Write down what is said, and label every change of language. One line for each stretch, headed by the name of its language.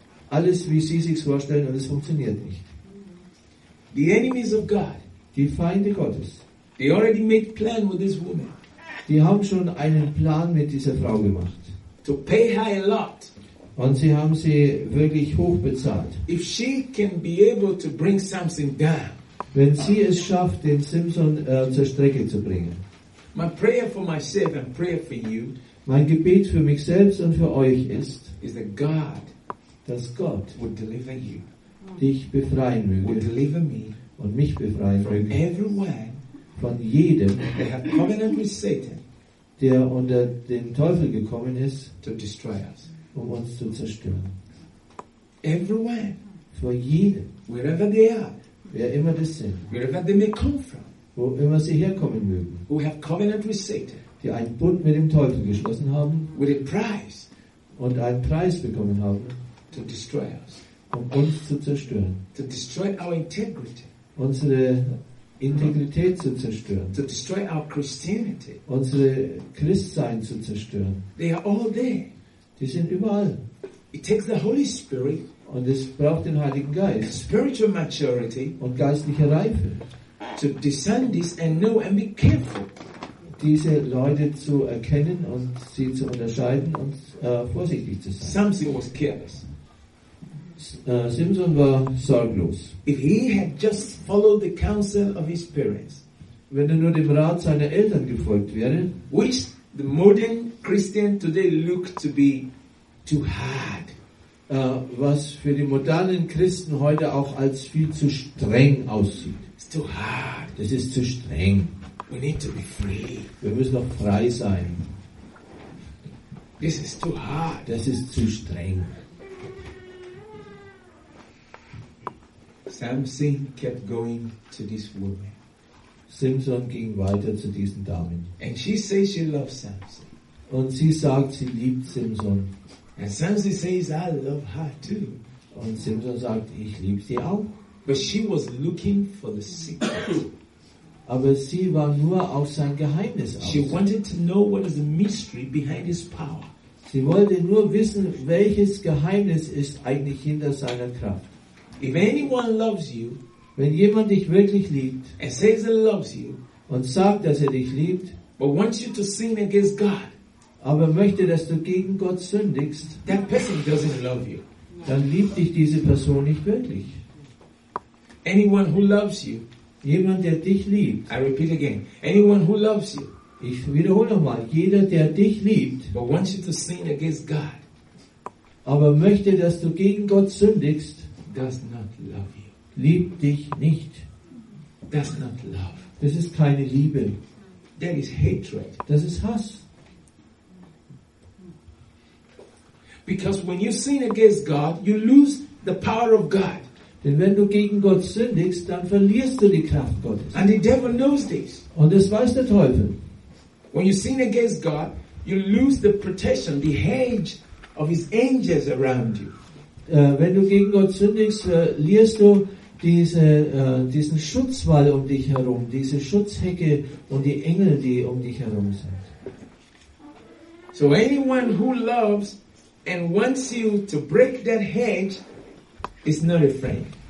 German: Alles, wie sie sich vorstellen, und es funktioniert nicht.
English: The enemies of God.
German: Die Feinde Gottes.
English: They already made plan with this woman.
German: Die haben schon einen Plan mit dieser Frau gemacht.
English: To pay her a lot.
German: Und sie haben sie wirklich hoch bezahlt.
English: If she can be able to bring something down.
German: Wenn sie es schafft, den Simson zur Strecke zu bringen.
English: My prayer for myself and prayer for you.
German: Mein Gebet für mich selbst und für euch ist,
English: is that God,
German: dass Gott
English: would deliver you,
German: dich befreien möge,
English: would deliver me,
German: und mich befreien
English: from
German: möge.
English: Everyone,
German: von jedem,
English: they have covenant with Satan,
German: der unter den Teufel gekommen ist,
English: to destroy us,
German: um uns zu zerstören.
English: Everyone,
German: von jedem,
English: wherever they are,
German: wer immer das sind,
English: wherever they may come from,
German: wo immer sie herkommen mögen,
English: who have covenant with Satan,
German: die einen Bund mit dem Teufel geschlossen haben,
English: with a price,
German: und einen Preis bekommen haben,
English: to destroy us,
German: um uns zu zerstören,
English: to destroy our integrity,
German: unsere Integrität zu zerstören,
English: to destroy our Christianity,
German: unsere Christsein zu zerstören.
English: They are all there.
German: Die sind überall.
English: It takes the Holy Spirit,
German: und es braucht den Heiligen Geist,
English: spiritual maturity,
German: und geistliche Reife,
English: to discern this and know and be careful,
German: diese Leute zu erkennen und sie zu unterscheiden und vorsichtig zu sein.
English: Samson was careless.
German: Simson war sorglos.
English: If he had just followed the counsel of his parents,
German: wenn er nur dem Rat seiner Eltern gefolgt wäre,
English: which the modern Christian today look to be too hard,
German: was für die modernen Christen heute auch als viel zu streng aussieht.
English: It's too hard.
German: Das ist zu streng.
English: We need to be free.
German: Wir müssen noch frei sein.
English: This is too hard.
German: Das ist zu streng.
English: Samson kept going to this woman.
German: Simson ging weiter zu diesen Damen.
English: And she says she loves Samson.
German: Und sie sagt, sie liebt Simson.
English: And Samson says, I love her too.
German: Und Simson sagt, ich liebe sie auch.
English: But she was looking for the secret.
German: Aber sie war nur auf sein Geheimnis aus.
English: She wanted to know what is the mystery behind his power.
German: Sie wollte nur wissen, welches Geheimnis ist eigentlich hinter seiner Kraft.
English: If anyone loves you,
German: wenn jemand dich wirklich liebt,
English: and says he loves you,
German: und sagt, dass er dich liebt,
English: but wants you to sin against God,
German: aber möchte, dass du gegen Gott sündigst,
English: that person doesn't love you.
German: Dann liebt dich diese Person nicht wirklich.
English: Anyone who loves you,
German: jemand, der dich liebt,
English: I repeat again, anyone who loves you,
German: ich wiederhole nochmal, jeder, der dich liebt,
English: but wants you to sin against God,
German: aber möchte, dass du gegen Gott sündigst,
English: does not love you.
German: Liebt dich nicht.
English: Does not love.
German: Das ist keine Liebe.
English: That is hatred.
German: Das ist Hass.
English: Because when you sin against God, you lose the power of God.
German: Denn wenn du gegen Gott sündigst, dann verlierst du die Kraft Gottes.
English: And the devil knows this.
German: Und das weiß der Teufel.
English: When you sin against God, you lose the protection, the hedge of his angels around you.
German: Wenn du gegen Gott sündigst, verlierst du diesen Schutzwall um dich herum, diese Schutzhecke und die Engel, die um dich herum sind.
English: So anyone who loves and wants you to break that hedge is not a friend.